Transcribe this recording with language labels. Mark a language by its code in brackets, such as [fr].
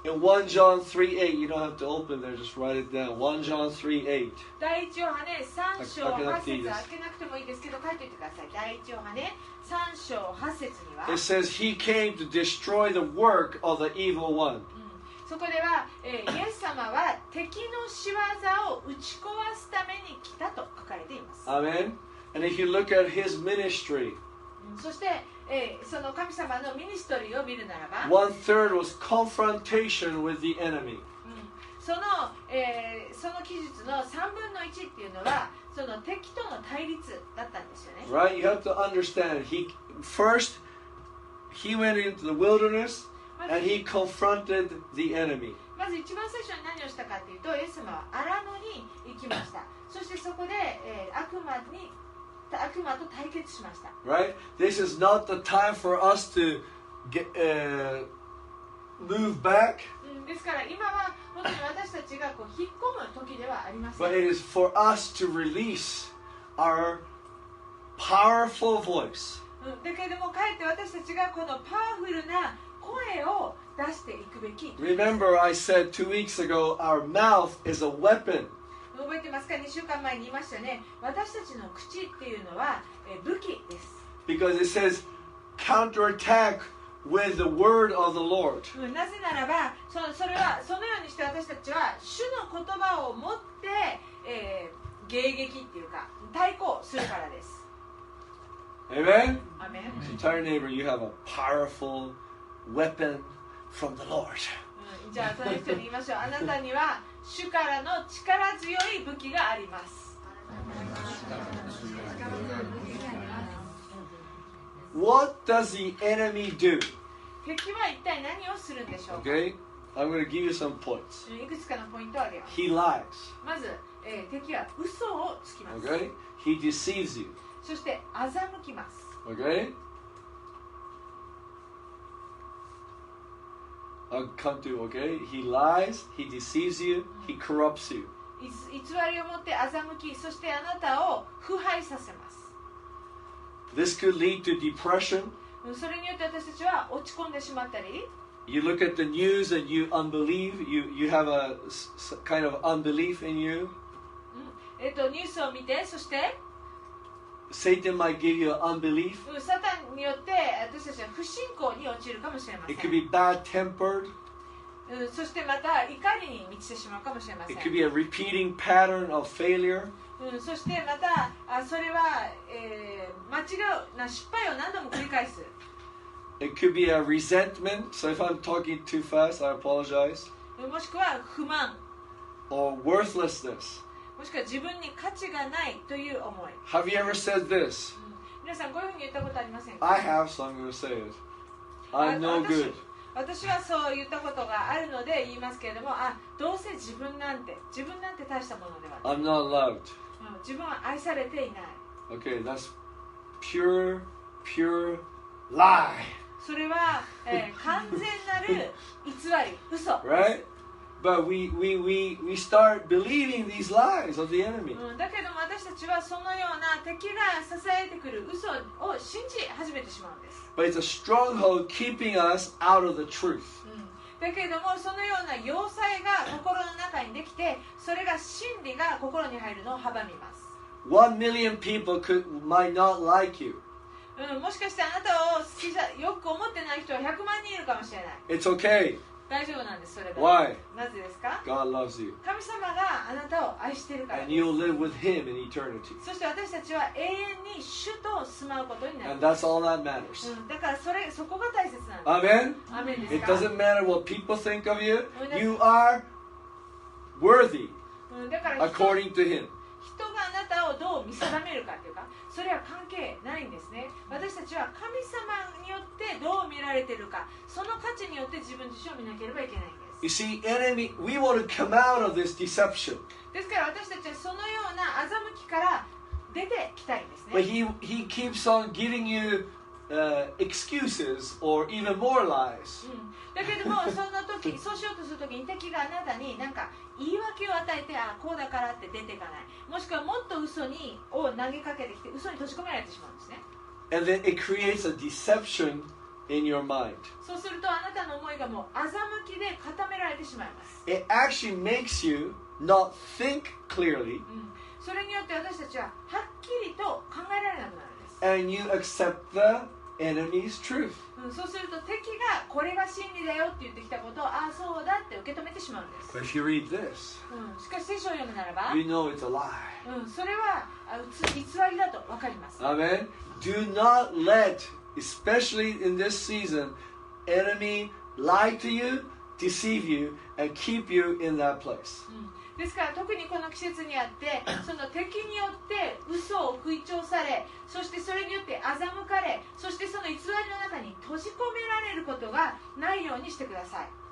[en] In 1 John 3:8, you don't have to open there, just write it down. 1 John 3:8. [ja] 第一ヨハネ3章8節、開けなくてもいいですけど、書いておいてください。第一ヨハネ3章8節には、 [en] It says, He came to destroy the work of the evil one.、 [ja] そこでは、イエス様は敵の仕業を打ち壊すために来たと書かれています。 [en] Amen. And if you look at his ministry,、 [ja] そして、その神様のミニストリーを見るならば、 [en] One third was confrontation with the enemy.、 [ja] その、その記述の3分の1っていうのは、その敵との対立だったんですよね。 [en] Right, you have to understand. He, first, he went into the wilderness and he confronted the enemy. [ja] まず一番最初に何をしたかっていうと、イエス様はアラノに行きました。そしてそこで、悪魔と対決しました。 [en] Right? This is not the time for us to get, move back. [ja] ですから今は本当に私たちがこう引っ込む時ではありません。 [en] But it is for us to release our powerful voice. [ja] だけれども、かえって私たちがこのパワフルな声を出していくべき。 [en] Remember, I said 2 weeks ago, our mouth is a weapon. [ja] 覚えてますか2週間前に言いましたね私たちの口っていうのは武器です [en] Because it says counterattack with the word of the Lord、 [ja] なぜならば それはそのようにして私たちは主の言葉を持って、迎撃っていうか対抗するからです [en] Amen? Amen? So tell your neighbor you have a powerful weapon from the Lord、 [ja] じゃあその人に言いましょうあなたには主からの力強い武器があります。 [en] What does the enemy do? [ja] 敵は一体何をするんでしょうか [en] Okay, I'm going to give you some points. [ja] いくつかのポイントをあげます。 [en] He lies. [ja] まず、敵は嘘をつきます。 [en] Okay, he deceives you. [ja] そして欺きます。 [en] Okay. I come to, okay? He lies, he deceives you, he corrupts you. [ja] 偽りを持って欺き、そしてあなたを腐敗させます。 [en] This could lead to depression. [ja] それによって私たちは落ち込んでしまったり。 [en] You look at the news and you unbelieve, you have a kind of unbelief in you. [ja] ニュースを見て、そして。 [en] Satan might give you unbelief. [ja] サタンによって私たちは不信仰に陥るかもしれません。 [en] It could be bad-tempered. [ja] そしてまた怒りに満ちてしまうかもしれません。 [en] It could be a repeating pattern of failure. [ja] そしてまたそれは、間違うな失敗を何度も繰り返す。 [en] It could be a resentment. So if I'm talking too fast, I apologize. [ja] もしくは不満。 [en] Or worthlessness. [ja] もしくは自分に価値がないという思い。 [en] Have you ever said this? [ja] 皆さんこういうふうに言ったことありませんか? [en] I have, so I'm going to say it. I'm no good. [ja] 私はそう言ったことがあるので言いますけれども、あ、どうせ自分なんて大したものではない。 [en] I'm not loved. [ja] 自分は愛されていない。 [en] Okay, that's pure, pure lie. [ja] それは、完全なる偽り、嘘。 [en] Right? But we start believing these lies of the enemy. [ja] だけど私たちはそのような敵が支えてくる嘘を信じ始めてしまうんです。 [en] But it's a stronghold keeping us out of the truth. [ja] だけどもそのような要塞が心の中にできて、それが真理が心に入るのを阻みます。 [en] One million people might not like you. [ja] もしかしてあなたをよく思ってない人は100万人いるかもしれない。 [en] It's okay. [ja] 大丈夫なんです、それが。 [en] Why? [ja] なぜですか [en] God loves you. [ja] 神様があなたを愛してるからです。 [en] And you'll live with him in eternity. [ja] そして私たちは永遠に主と住まうことになる。 [en] And that's all that matters. [ja] だからそこが大切なんです。 [en] Amen? [ja] Amen ですか? [en] It doesn't matter what people think of you. You are worthy according to him. [ja] 人があなたをどう見定めるかというか、それは関係ないんですね。私たちは神様によってどう見られているか、その価値によって自分自身を見なければいけないんです。 [en] You see, enemy, we want to come out of this deception. [ja] ですから私たちはそのような欺きから出てきたいんですね。 [en] But he keeps on giving you, excuses or even more lies. [ja] だけども、その時、そうしようとする時に敵があなたになんか言い訳を与えてゃあこうだからって出てかない。もしくはもっと嘘にを投げかけてきて嘘に閉じ込められてしまうんですね。 [en] And then it creates a deception in your mind. [ja] そうするとあなたの思いがもう欺きで固められてしまいます。 [en] It actually makes you not think clearly.、 [ja] うん、それによって私たちははっきりと考えられなくなるんです。 [en] And you accept the enemy's truth.、 [ja] うん、そうすると敵がこれが真理だよって言ってきたことをああそうだって受け止めてしまうんです。 [en] But if you read this,、 [ja] うん、しかし聖書を読むならば、 [en] you know it's a lie.、 [ja] うん、それは偽りだとわかります。 [en] Amen. Do not let, especially in this season, enemy lie to you, deceive you, and keep you in that place.、 [ja] うん、ですから特にこの季節にあって、その敵によって嘘を吹聴され、そしてそれによって欺かれ、そしてその偽りの中に閉じ込められることがないようにしてください。